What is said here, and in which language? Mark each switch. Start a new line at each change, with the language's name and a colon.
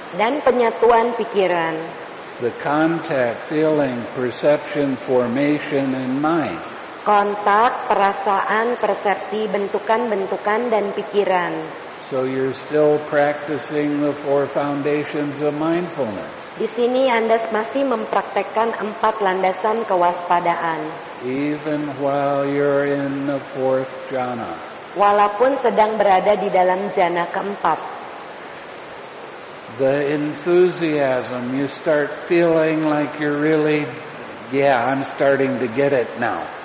Indonesian: Dan penyatuan pikiran.
English: The contact, feeling, perception, formation in mind.
Indonesian: Kontak, perasaan, persepsi, bentukan-bentukan dan pikiran.
English: So you're still practicing the four foundations of mindfulness.
Indonesian: Di sini Anda masih mempraktekkan empat landasan kewaspadaan.
English: Even while you're in the fourth jhana.
Indonesian: Walaupun sedang berada di dalam jhana keempat.
English: The enthusiasm, you start feeling like you're really, yeah, I'm starting to get it now.